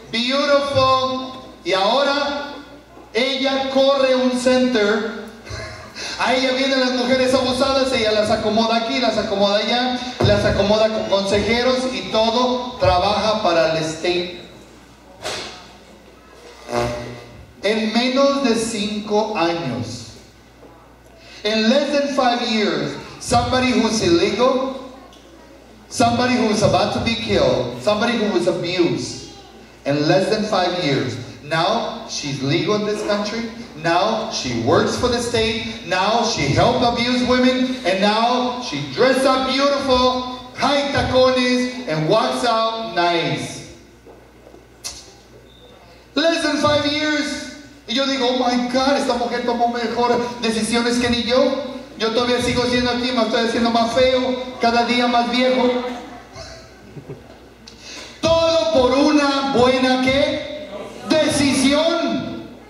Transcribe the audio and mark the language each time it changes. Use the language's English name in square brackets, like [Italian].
[English] Beautiful. [Spanish] Y ahora ella corre un center. A ella vienen las mujeres abusadas, ella las acomoda aquí, las acomoda allá, las acomoda con consejeros y todo, trabaja para el state. En menos de 5 años, [English] en less than 5 years, somebody who's illegal, somebody who's about to be killed, somebody who was abused, in less than 5 years, now she's legal in this country. Now she works for the state. Now she helps abuse women. And now she dresses up beautiful, high tacones, and walks out nice. Less than 5 years. [Spanish] Y yo digo, [English] oh my God, [Spanish] esta mujer tomó mejor decisiones que ni yo. Yo todavía sigo siendo aquí, me estoy haciendo más feo, cada día más viejo. Todo por una buena, ¿qué? Decisión.